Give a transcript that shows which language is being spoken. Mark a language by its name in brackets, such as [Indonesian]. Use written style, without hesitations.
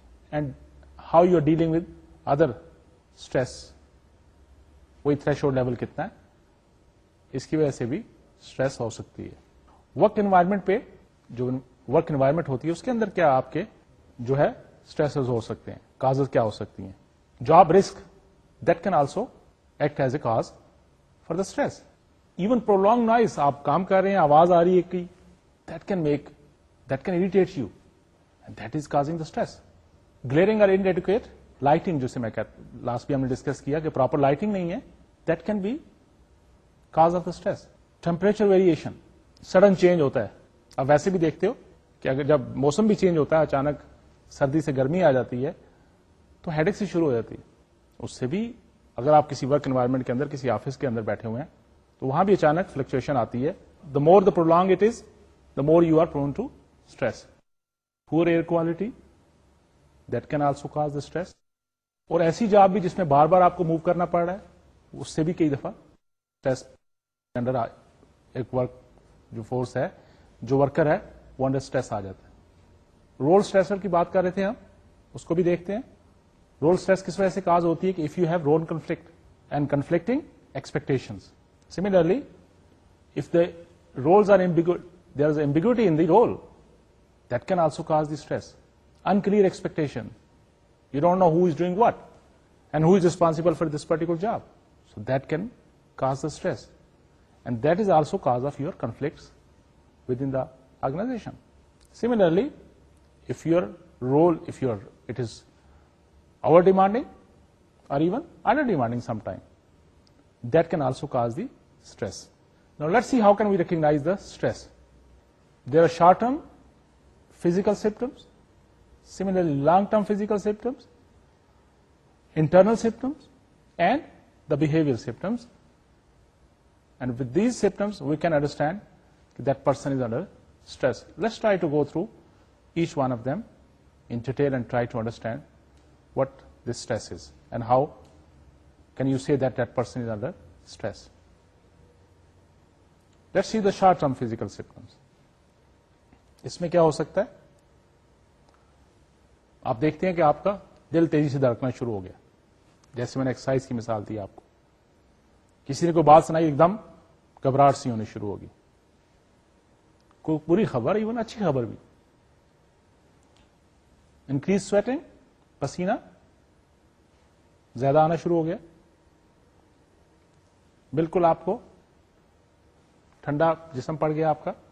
[English] and how you are dealing with other stress, [Urdu] وہی تھریش hold level کتنا ہے, اس کی وجہ سے بھی اسٹریس ہو سکتی ہے. ورک انوائرمنٹ پہ, جو ورک انوائرمنٹ ہوتی ہے اس کے اندر کیا آپ کے جو ہے اسٹریسز ہو سکتے ہیں, کازز کیا ہو سکتی ہیں. [English] Job risk that can also act as a cause for the stress. Even prolong noise, [Urdu] آپ کام کر رہے ہیں آواز آ رہی ہے کہ [English] That can make that can irritate you and that is causing the stress. Glaring اور inadequate lighting, [Urdu] جسے میں کہتا لاسٹ بھی ہم نے ڈسکس کیا کہ پراپر لائٹنگ نہیں ہے, [English] That can be cause of the stress. [Urdu] Temperature variation, sudden change ہوتا ہے. اب ویسے بھی دیکھتے ہو کہ اگر جب موسم بھی چینج ہوتا ہے اچانک سردی سے گرمی آ جاتی ہے تو ہیڈیک سے شروع ہو جاتی ہے. اس سے بھی اگر آپ کسی ورک انوائرمنٹ کے اندر کسی آفس کے اندر بیٹھے ہوئے ہیں تو وہاں بھی اچانک فلکچویشن آتی ہے. [English] The more the prolong it is the more you are prone to stress. Poor air quality that can also cause the stress. [Urdu] اور ایسی جاب بھی جس میں بار بار آپ کو موو کرنا پڑ رہا ہے اس سے بھی کئی دفعہ اسٹریس انڈر ایک ورک جو فورس ہے جو ورکر ہے وہ انڈر اسٹریس آ جاتا ہے. رول اسٹریسر کی بات کر رہے تھے ہم, اس کو بھی دیکھتے ہیں. رول اسٹریس کس وجہ سے کاز ہوتی ہے کہ [English] If you have role conflict and conflicting expectations. Similarly if the roles are there is ambiguity in the role that can also cause the stress. Unclear expectation, you don't know who is doing what and who is responsible for this particular job, so that can cause the stress. and that is also cause of your conflicts within the organization. Similarly, if your role, if your it is over demanding or even under demanding sometime, that can also cause the stress. Now let's see how can we recognize the stress. There are short term physical symptoms, similarly long term physical symptoms, internal symptoms and the behavioral symptoms, and with these symptoms we can understand that person is under stress. Let's try to go through each one of them in detail and try to understand what this stress is and how can you say that person is under stress. Let's see the short term physical symptoms. [Urdu] Isme kya ho sakta hai, aap dekhte hain ki aapka dil tezi se dhadakna shuru ho gaya, جیسے میں نے exercise کی مثال دی آپ کو, کسی نے کوئی بات سنائی ایک دم گھبراہٹ سی ہونے شروع ہوگی, کوئی بری خبر ایون اچھی خبر بھی, انکریز سویٹنگ پسینہ زیادہ آنا شروع ہو گیا, بالکل آپ کو ٹھنڈا جسم پڑ گیا آپ کا,